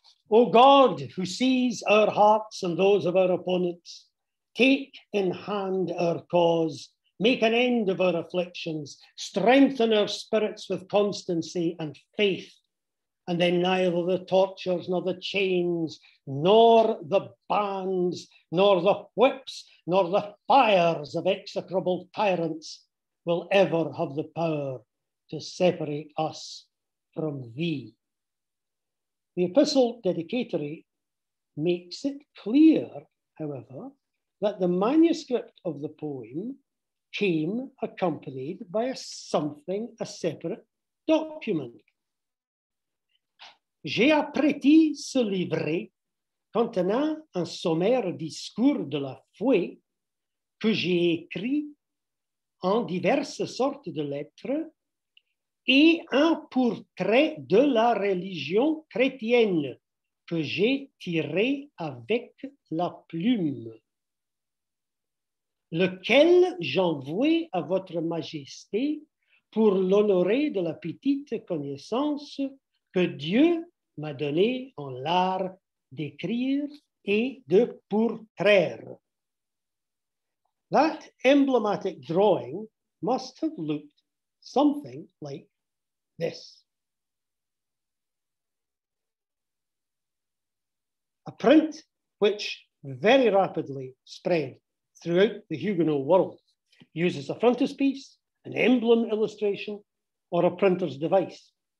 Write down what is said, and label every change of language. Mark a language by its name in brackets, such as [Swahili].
[English] O God, who sees our hearts and those of our opponents, take in hand our cause, make an end of our afflictions, strengthen our spirits with constancy and faith, and then neither the tortures, nor the chains, nor the bands, nor the whips, nor the fires of execrable tyrants will ever have the power to separate us from thee. The epistle dedicatory makes it clear, however, that the manuscript of the poem came accompanied by a separate document. [French] J'ai apprêté ce livret contenant un sommaire discours de la foi que j'ai écrit en diverses sortes de lettres et un portrait de la religion chrétienne que j'ai tiré avec la plume, lequel j'envoie à votre majesté pour l'honorer de la petite connaissance que Dieu m'a donné en l'art d'écrire et de pourtraire. [English] That emblematic drawing must have looked something like this. A print which very rapidly spread throughout the Huguenot world uses a frontispiece, an emblem illustration, or a printer's device.